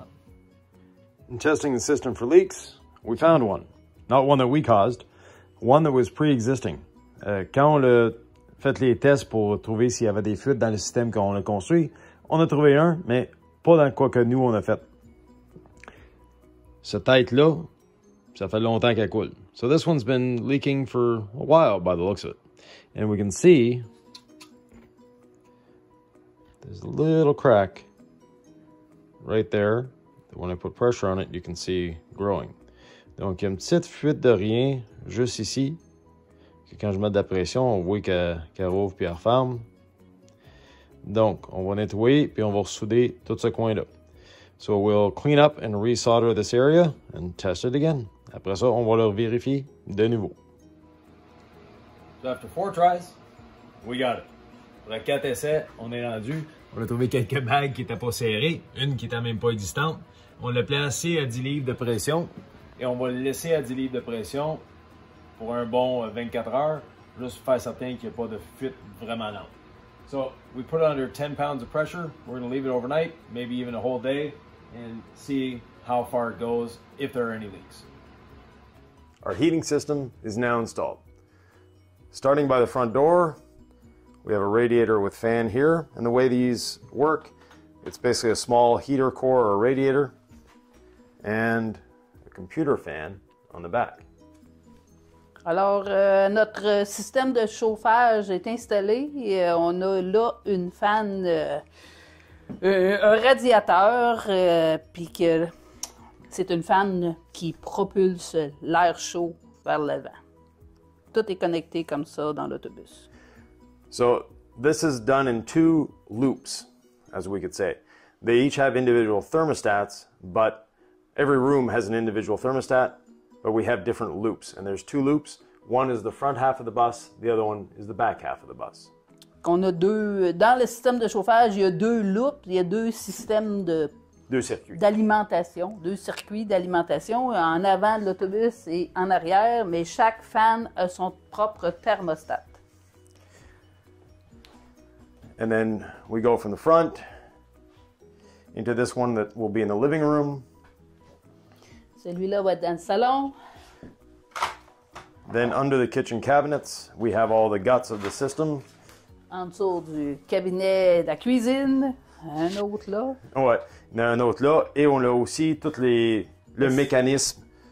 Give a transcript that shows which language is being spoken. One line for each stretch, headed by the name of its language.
English: up. In testing the system for leaks, we found one. Not one that we caused, one that was pre-existing.
French: Quand on a fait les tests pour trouver s'il y avait des fuites dans le système qu'on a construit, on a trouvé un, mais pas dans quoi que nous on a fait. Cette tête-là, ça fait longtemps qu'elle coule.
English: So this one's been leaking for a while by the looks of it. And we can see there's a little crack right there. When I put pressure on it, you can see growing.
French: Donc, il y a une petite fuite de rien juste ici. Que quand je mets de la pression, on voit qu'elle rouvre puis elle ferme. Donc, on va nettoyer puis on va ressouder tout ce coin-là.
English: So, we'll clean up and re-solder this area and test it again.
French: Après ça, on va le vérifier de nouveau.
English: So after 4 tries, we got it.
French: Pour les 4 essais, on est rendu. On a trouvé quelques bagues qui n'étaient pas serrées, une qui n'était même pas existante. On l'a placé à 10 livres de pression et on va le laisser à 10 livres de pression pour un bon 24 heures, juste pour faire certain qu'il n'y a pas de fuite vraiment lente.
English: So, we put it under 10 pounds of pressure. We're going to leave it overnight, maybe even a whole day, and see how far it goes, if there are any leaks. Our heating system is now installed. Starting by the front door, we have a radiator with fan here. And the way these work, it's basically a small heater core or radiator and a computer fan on the back.
French: Alors, notre système de chauffage est installé. Et on a là une fan, un radiateur, puis que c'est une fan qui propulse l'air chaud vers l'avant. Tout est connecté comme ça dans l'autobus.
English: So, this is done in two loops, as we could say. They each have individual thermostats, but every room has an individual thermostat, but we have different loops, and there's two loops. One is the front half of the bus, the other one is the back half of the bus.
French: On a deux, dans le système de chauffage, il y a deux loops, il y a deux systèmes de, deux circuits. D'alimentation, deux circuits d'alimentation, en avant de l'autobus et en arrière, mais chaque fan a son propre thermostat.
English: And then we go from the front into this one that will be in the living room.
French: Celui-là va être dans le salon.
English: Then under the kitchen cabinets, we have all the guts of the system.
French: En dessous du cabinet de la cuisine, un autre là. Ouais, il y en a un autre là. Et on a aussi tout les, le mécanisme